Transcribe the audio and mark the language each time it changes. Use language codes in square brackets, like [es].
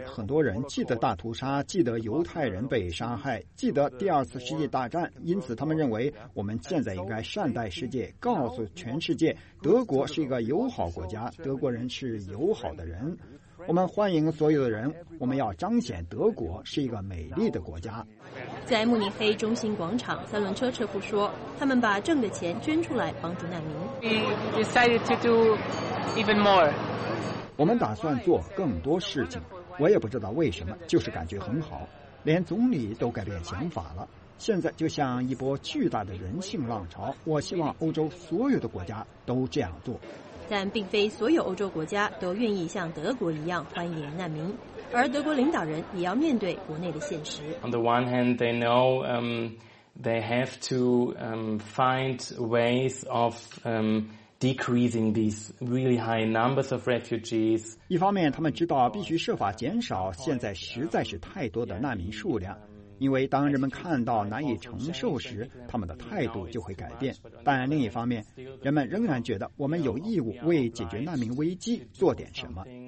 [zh] 很多人记得大屠杀，记得犹太人被杀害，记得第二次世界大战，因此他们认为我们现在应该善待世界，告诉全世界德国是一个友好国家，德国人是友好的人，我们欢迎所有的人，我们要彰显德国是一个美丽的国家。在慕尼黑中心广场，三轮车车夫说，他们把挣的钱捐出来帮助难民。 [en] We decided to do even more. [zh] 我们打算做更多事情，我也不知道为什么，就是感觉很好，连总理都改变想法了。现在就像一波巨大的人性浪潮，我希望欧洲所有的国家都这样做。但并非所有欧洲国家都愿意像德国一样欢迎难民，而德国领导人也要面对国内的现实。 [en] On the one hand, they know they have to find ways of decreasing these really high numbers of refugees. [zh] 一方面，他们知道必须设法减少现在实在是太多的难民数量。因为当人们看到难以承受时，他们的态度就会改变。但另一方面，人们仍然觉得我们有义务为解决难民危机做点什么。